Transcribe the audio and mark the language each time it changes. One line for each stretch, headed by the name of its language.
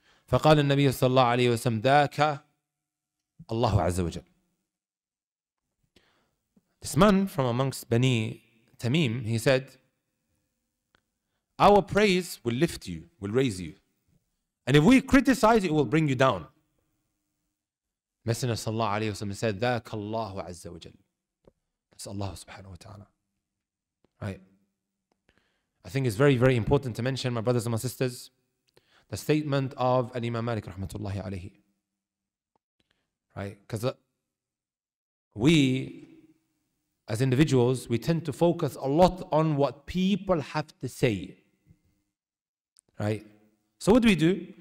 Arabic: فَقَالَ النَّبِيُّ صلى الله عليه وسلم ذَاكَ اللَّهُ عَزَّ وَجَلْ.
English: This man from amongst Bani Tamim, he said, our praise will lift you, will raise you. And if we criticize, it will bring you down. Messenger صلى الله عليه وسلم said,
Arabic: ذَاكَ اللَّهُ عَزَّ وَجَلْ.
English: That's Allah subhanahu wa ta'ala. Right. I think it's very, very important to mention, my brothers and my sisters, the statement of Al-Imam Malik rahmatullahi alayhi. Right? Because we, as individuals, we tend to focus a lot on what people have to say. Right? So what do?